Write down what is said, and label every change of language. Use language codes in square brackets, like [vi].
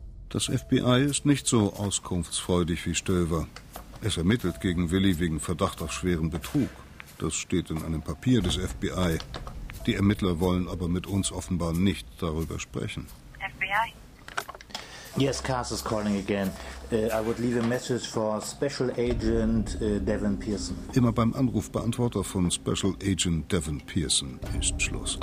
[de] Das FBI ist nicht so auskunftsfreudig wie Stöver. Es ermittelt gegen Willi wegen Verdacht auf schweren Betrug. Das steht in einem Papier des FBI. Die Ermittler wollen aber mit uns offenbar nicht darüber sprechen. FBI? [en] Yes, Cass is calling again. I would leave a message for Special Agent Devin Pearson. [de] Immer beim Anrufbeantworter von Special Agent Devin Pearson ist Schluss.